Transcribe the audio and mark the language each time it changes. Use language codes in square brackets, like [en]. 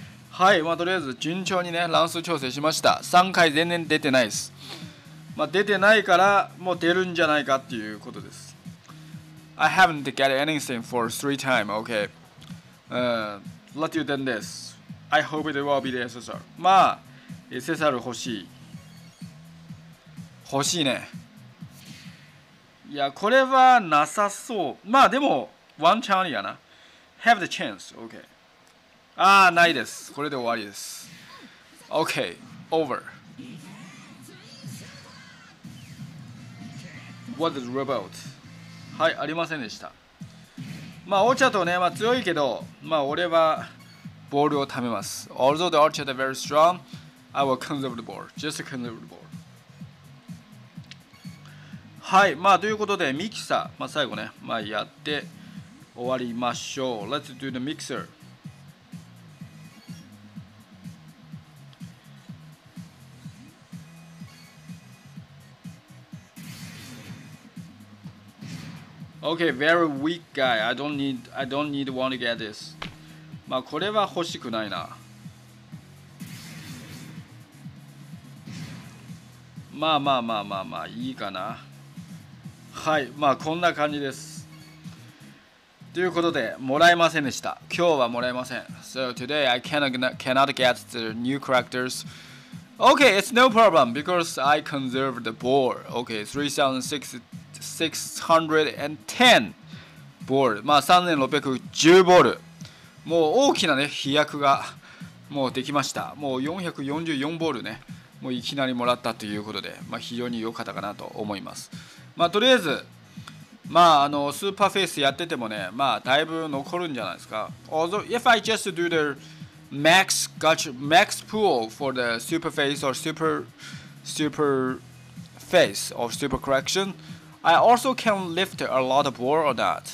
[ja] はい、まあ、とりあえず順調にね、乱数調整しました。3回全然出てないです。まあ、出てないから、もう出るんじゃないかっていうことです。 [en] I haven't got anything for three times. Okay. Let you do this. I hope it will be the SSR. まあ、 [ja] SSR 欲しい。欲しいね。いや、これはなさそう。まあでも、ワンチャンありやな。 [en] Have the chance. OK。 [ja] ああ、ないです。これで終わりです。 [en] OK。 Over。 What is robot? [ja] はい、ありませんでした。まあ、オーチャーとね、まあ強いけど、まあ俺はボールを貯めます。 [en] Although the orchard is very strong, I will conserve the ball. Just conserve the ball. [ja] はい、まあということでミキサー、まあ最後ね、まあやって終わりましょう。 [en] Let's do the mixer。 Okay, very weak guy. I don't need want to get this。 [ja] まあこれは欲しくないな。まあまあまあまあまあいいかな。はい、まあこんな感じです。ということで、もらえませんでした。今日はもらえません。 [en] So today I cannot get the new characters. Okay, it's no problem because I conserved the ball. Okay, 3,610 ball. [ja] まあ3,610ボール。もう大きなね、飛躍がもうできました。もう444ボールね、もういきなりもらったということで、まあ非常に良かったかなと思います。まあ、とりあえず、まあ、あのスーパーフェイスやっててもね、まあ、だいぶ残るんじゃないですか。 [en] Although, if I just do the max, gotcha, max pool for the super face or super face or super correction, I also can lift a lot of ball or that.